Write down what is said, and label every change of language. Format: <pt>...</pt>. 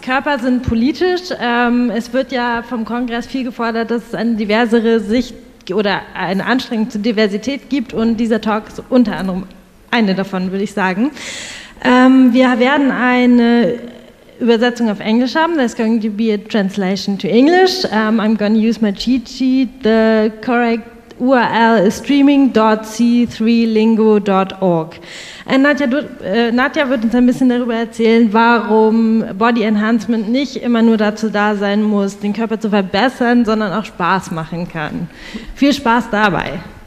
<de>Körper sind politisch. Es wird ja vom Kongress viel gefordert, dass es eine diversere Sicht oder eine Anstrengung zur Diversität gibt. Und dieser Talk ist unter anderem eine davon, würde ich sagen. Wir werden eine Übersetzung auf Englisch haben.</de> <en>There's going to be a translation to English. I'm going to use my cheat sheet, the correct URL is streaming.c3lingo.org.</en> <de>Nadja wird uns ein bisschen darüber erzählen, warum Body Enhancement nicht immer nur dazu da sein muss, den Körper zu verbessern, sondern auch Spaß machen kann. Viel Spaß dabei!</de>